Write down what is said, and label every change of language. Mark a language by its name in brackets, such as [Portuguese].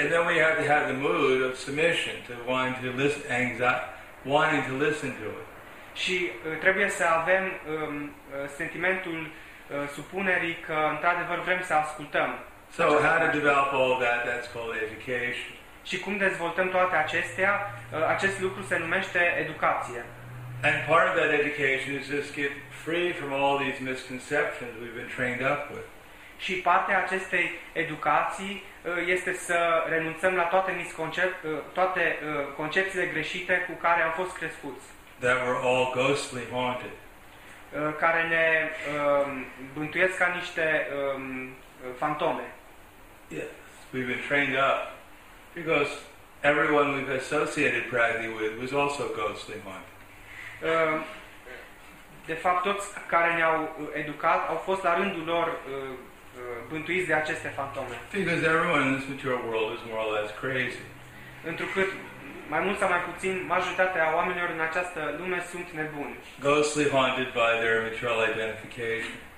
[English] And then we have to have the mood of submission to wanting to listen, wanting to listen to it. [Romanian] Și trebuie să avem sentimentul supunerii că într-adevăr vrem să ascultăm. [English] So how to develop all that? That's called education. [Romanian] Și cum dezvoltăm toate acestea? Acest lucru se numește educație. [English] And part of that education is just get free from all these misconceptions we've been trained up with. [Romanian] Și partea acestei educații este să renunțăm la toate concepțiile greșite cu care am fost crescuți. [English] That were all ghostly haunted. [Romanian] Care ne bântuiesc ca niște fantome. [English] Yes, we've been trained up because everyone we've associated practically with was also ghostly haunted. [Romanian] De fapt, toți care ne-au educat au fost la rândul lor bântuiți de aceste fantome. [English] Because everyone in this material world is more or less crazy. [Romanian] Întrucât, mai mult sau mai puțin, majoritatea oamenilor în această lume sunt nebuni. [English] Ghostly haunted by their material identification.